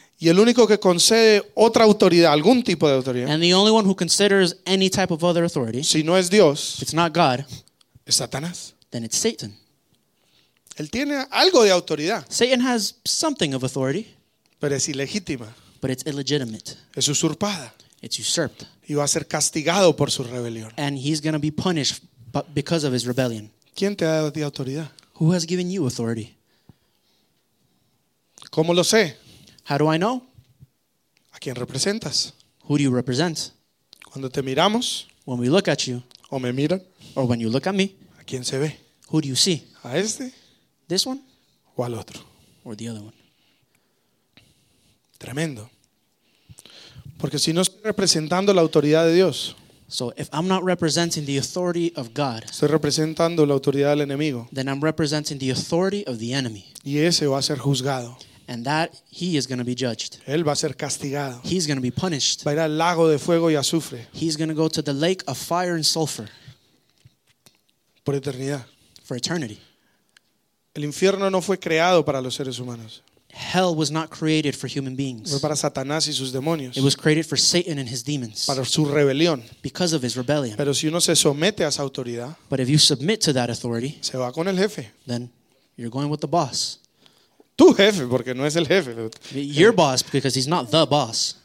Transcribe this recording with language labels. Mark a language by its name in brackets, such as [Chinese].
[Spanish] Y el único que concede otra autoridad, algún tipo de autoridad. [English] And the only one who considers any type of other authority. [Spanish] Si no es Dios. [English] It's not God. [Spanish] Es Satanás. [English] Then it's Satan. [Spanish] Él tiene algo de autoridad. [English] Satan has something of authority. [Spanish] Pero es ilegítima. [English] But it's illegitimate. [Spanish] Es usurpada. [English] It's usurped. [Spanish] Y va a ser castigado por su rebelión. [English] And he's going to be punished because of his rebellion. [Spanish] ¿Quién te ha dado de autoridad? [English] Who has given you authority? [Spanish] ¿Cómo lo sé? [English] How do I know? [Spanish] ¿A quién representas? [English] Who do you represent? [Spanish] Cuando te miramos. [English] When we look at you. [Spanish] O me miran. [English] Or when you look at me. [Spanish] ¿A quién se ve? [English] Who do you see? [Spanish] ¿A este? [English] This one? [Spanish] ¿O al otro? [English] Or the other one. [Spanish] Tremendo. Porque si no estoy representando la autoridad de Dios. [English] So if I'm not representing the authority of God. [Spanish] Estoy representando la autoridad del enemigo. [English] Then I'm representing the authority of the enemy. [Spanish] Y ese va a ser juzgado. [English] And that he is going to be judged. [Spanish] Él va a ser castigado. [English] He's going to be punished. [Spanish] Va a ir al lago de fuego y azufre. [English] He's going to go to the lake of fire and sulfur. [Spanish] Por eternidad. [English] For eternity. [Spanish] El infierno no fue creado para los seres humanos. [English] Hell was not created for human beings. [Spanish] Fue para Satanás y sus demonios. [English] It was created for Satan and his demons. [Spanish] Para su rebelión. [English] Because of his rebellion. [Spanish] Pero si uno se somete a esa autoridad, [English] but if you submit to that authority, [Spanish] se va con el jefe. [English] Then you're going with the boss. [Spanish] Tu jefe, porque no es el jefe. [English] Your boss, because he's not the boss.